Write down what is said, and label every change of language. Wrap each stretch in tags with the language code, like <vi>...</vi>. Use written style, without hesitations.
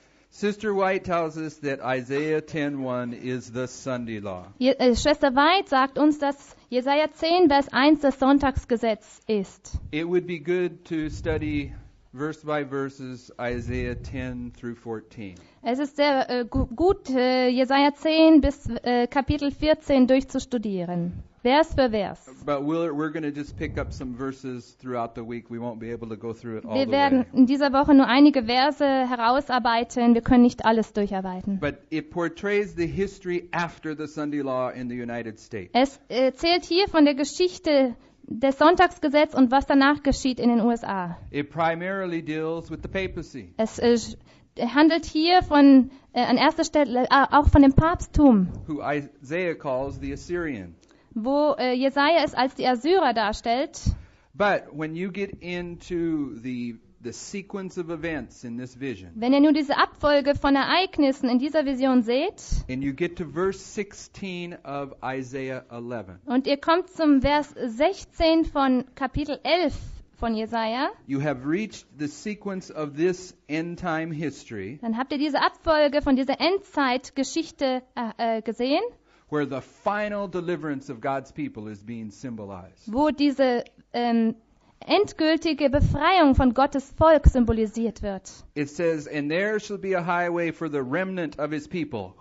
<en>Sister White tells us that Isaiah 10, 1 is the Sunday law.</en> <de>Schwester White sagt uns, dass Jesaja 10, Vers 1 das Sonntagsgesetz ist.</de> <en>It would be good to study verse by verses Isaiah 10 through 14.</en> <de>Es ist sehr gut, Jesaja 10 bis Kapitel 14 durchzustudieren. Vers für Vers.</de> <en>But we're going to just pick up some verses throughout the week. We won't be able to go through it all the way.</en> <de>Wir werden in dieser Woche nur einige Verse herausarbeiten. Wir können nicht alles durcharbeiten.</de> <en>But it portrays the history after the Sunday law in the United States.</en> <de>Es erzählt hier von der Geschichte des Sonntagsgesetzes und was danach geschieht in den USA.</de> <en>It primarily deals with the papacy.</en> <de>Es handelt hier von an erster Stelle auch von dem Papsttum.</de> <en>Who Isaiah calls the Assyrian.</en> <de>Wo Jesaja es als die Assyrer darstellt.</de> <en>But when you get into the sequence of events in this vision.</en> <de>Wenn ihr nun diese Abfolge von Ereignissen in dieser Vision seht.</de> <en>And you get to verse 16 of Isaiah 11.</en> <de>Und ihr kommt zum Vers 16 von Kapitel 11 von Jesaja.</de> <en>You have reached the sequence of this end time history.</en> <de>Dann habt ihr diese Abfolge von dieser Endzeitgeschichte gesehen.</de> <en>Where the final deliverance of God's people is being symbolized.</en> <de>Wo diese endgültige Befreiung von Gottes Volk symbolisiert wird.</de> <en>It says, and there shall be a highway for the remnant of his people.</en>